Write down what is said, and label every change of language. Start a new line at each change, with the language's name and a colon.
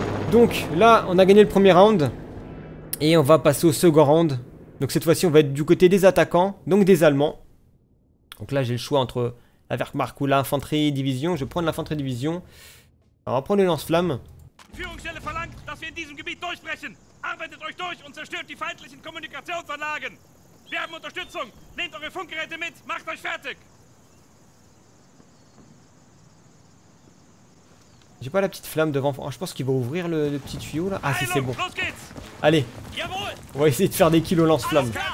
French: Donc là, on a gagné le premier round. Et on va passer au second round. Donc cette fois-ci, on va être du côté des attaquants, donc des Allemands. Donc là, j'ai le choix entre la Wehrmacht ou l'infanterie division. Je vais prendre l'infanterie division. On va prendre le lance-flammes.
German: Führungsstelle verlangt, dass wir in diesem Gebiet durchbrechen. Arbeitet euch durch und zerstört die feindlichen Kommunikationsanlagen. Wir haben Unterstützung. Nehmt eure Funkgeräte mit, macht euch fertig.
French: J'ai pas la petite flamme devant. Oh, je pense qu'il va ouvrir le petit tuyau là. Ah si, c'est bon. Allez. On va essayer de faire des kills au lance-flammes.